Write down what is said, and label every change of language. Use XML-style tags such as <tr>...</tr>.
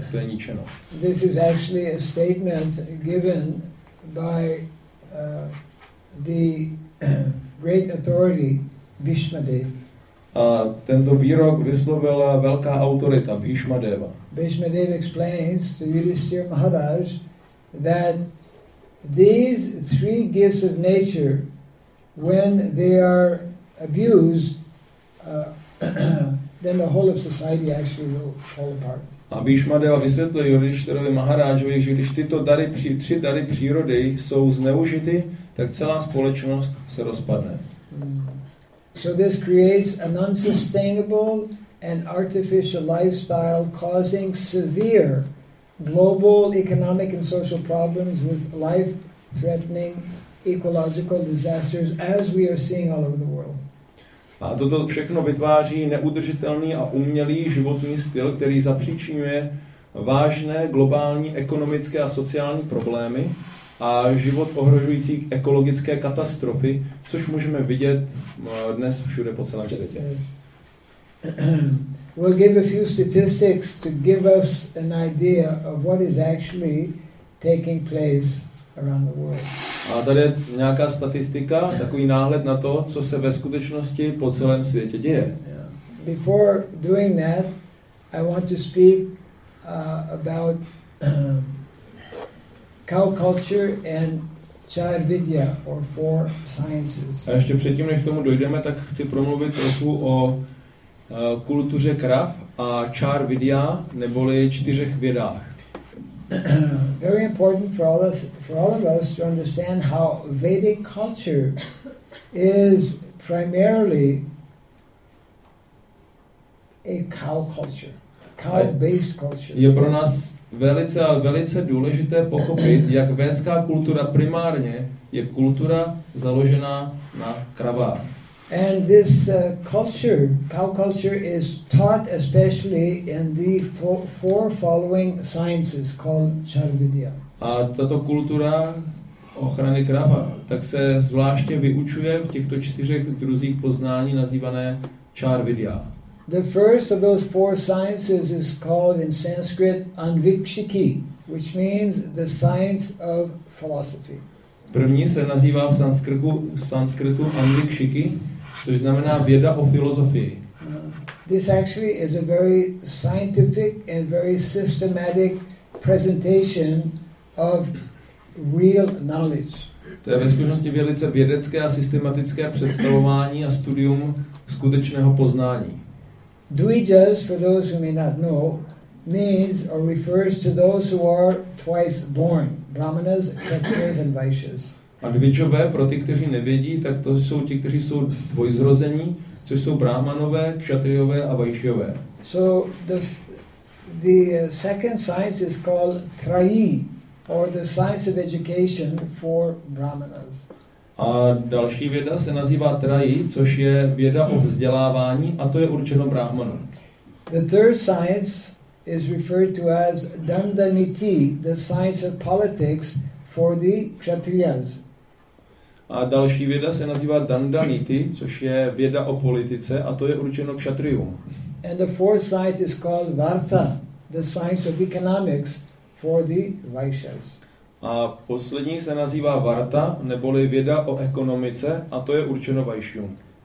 <cs>To je ničeno.</cs> <en>This is actually a statement given by the great authority Bhishma Deva.</en> <cs>A tento výrok vyslovila velká autorita Bhishma Deva.</cs> <en>Bhishma Deva explains to Yudhisthira Maharaj that these three gifts of nature, when they are abused, then the whole of society actually will fall apart.</en> <cs>A Bhishma Deva vysvětluje Yudhishthirovi Maharajovi, že když tyto dary, tři dary přírody jsou zneužity, tak celá společnost se rozpadne.</cs> <en>So this creates an unsustainable and artificial lifestyle, causing severe global economic and social problems with life-threatening ecological disasters as we are seeing all over the world.</en> <cs>A toto všechno vytváří neudržitelný a umělý životní styl, který zapříčinuje vážné globální ekonomické a sociální problémy a život ohrožující ekologické katastrofy, což můžeme vidět dnes všude po celém světě.</cs> <en>We'll give a few statistics to give us an idea of what is actually taking place around the world.</en> <cs>A tady je nějaká statistika, takový náhled na to, co se ve skutečnosti po celém světě děje.</cs> <en>Before doing that, I want to speak about cow culture and Chaya Vidya, or four sciences.</en> <cs>A ještě předtím, než k tomu dojdeme, tak chci promluvit trochu o kultuře krav a Chaya Vidya, neboli čtyřech vědách.</cs> <en>Very important for all of us to understand how Vedic culture is primarily a cow culture, cow-based culture.</en> <cs>Je pro nás velice, ale velice důležité pochopit, jak védská kultura primárně je kultura založená na kravách.</cs> <en>And this culture, cow culture, is taught especially in the four following sciences called Charvidya.</en> <cs>A tato kultura ochrany krava tak se zvláště vyučuje v těchto čtyřech druzích poznání nazývané Charvidya.</cs> <en>The first of those four sciences is called in Sanskrit Anvikshiki, which means the science of philosophy.</en> <cs>První se nazývá v sanskritu Anvikshiki, což znamená věda o filozofii.</cs> <en>This actually is a very scientific and very systematic presentation of real knowledge.</en> <cs>To je ve skutečnosti velice vědecké a systematické představování a studium skutečného poznání.</cs> <en>Dvijas, for those who may not know, means or refers to those who are twice born, brahmanas, kshatriyas and vaishyas.</en> <cs>A dvijové, pro ty, kteří nevědí, tak to jsou ti, kteří jsou dvojzrození, což jsou brahmanové, kšatriové a vaishyové.</cs> <en>So the second science is called trayi, or the science of education for brahmanas.</en> <cs>A další věda se nazývá trayi, což je věda o vzdělávání, a to je určeno brahmanům.</cs> <en>The third science is referred to as dandaniti, the science of politics for the kshatriyas.</en> <cs>A další věda se nazývá dandaniti, což je věda o politice, a to je určeno kšatriům.</cs> <en>And the fourth science is called varta, the science of economics for the vaishyas.</en> <cs>A poslední se nazývá varta, neboli věda o ekonomice, a to je určeno vaishyům.</cs>